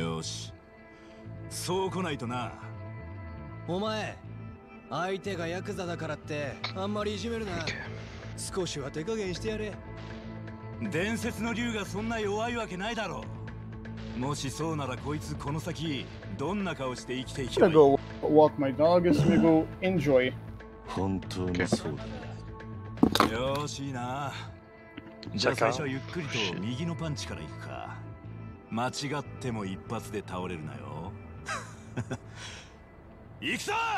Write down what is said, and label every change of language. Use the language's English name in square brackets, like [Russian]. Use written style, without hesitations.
[Japanese] よし、そう来ないとな。お前、相手がヤクザだからってあんまりいじめるな。少しは手加減してやれ。伝説の竜がそんな弱いわけないだろう。もしそうならこいつこの先どんな顔して生きていけばいい。 [English] I'm gonna go walk my dog as we go enjoy. [Japanese] 本当にそうだ。よしいな。じゃあ最初はゆっくりと右のパンチから行くか。間違っても一発で倒れるなよ。行くぞ。